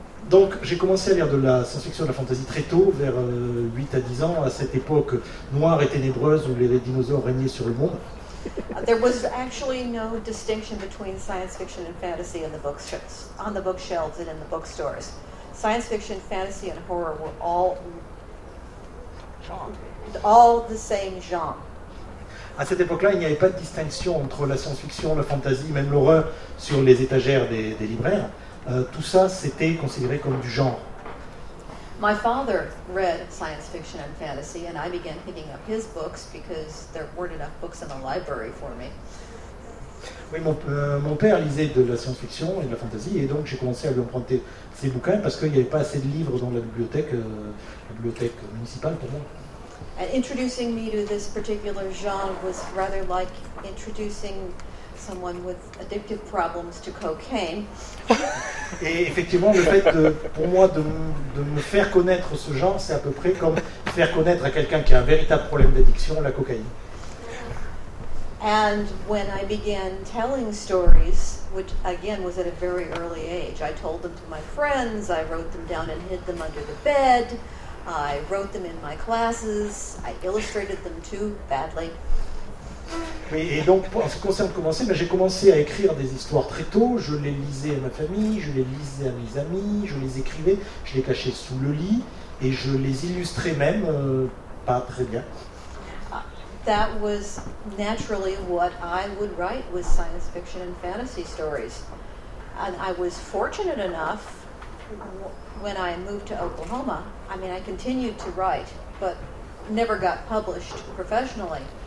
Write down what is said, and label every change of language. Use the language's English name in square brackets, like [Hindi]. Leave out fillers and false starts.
[French] Donc, j'ai commencé à lire de la science-fiction et de la fantasy très tôt, vers 8 à 10 ans, à cette époque noire et ténébreuse où les dinosaures régnaient sur le monde. [English] There was actually no distinction between science fiction and fantasy in the bookshelves, on the bookshelves and in the bookstores. Science fiction, fantasy, and horror were all the same genre. [French] À cette époque-là, il n'y avait pas de distinction entre la science-fiction, la fantasy, même l'horreur sur les étagères des libraires. Tout ça, c'était considéré comme du genre. [English] My father read science fiction and fantasy, and I began picking up his books because there weren't enough books in the library for me. [French] Oui, mon père lisait de la science fiction et de la fantasy, et donc j'ai commencé à lui emprunter ses bouquins parce qu'il n'y avait pas assez de livres dans la bibliothèque municipale pour moi. [English] And introducing me to this particular genre was rather like introducing someone with addictive problems to cocaine. [French] Et effectivement, le fait pour moi de me faire connaître ce genre, c'est à peu près comme faire connaître à quelqu'un qui a un véritable problème d'addiction la cocaïne. [English] And when I began telling stories, which again was at a very early age, I told them to my friends, I wrote them down and hid them under the bed, I wrote them in my classes, I illustrated them too badly. [French] Et donc, en ce qui concerne commencer, j'ai commencé à écrire des histoires très tôt. Je les lisais à ma famille, je les lisais à mes amis, je les écrivais, je les cachais sous le lit et je les illustrais même pas très bien. [English] That was naturally what I would write with science fiction and fantasy stories. And I was fortunate enough when I moved to Oklahoma. I mean, I continued to write, but never got published professionally.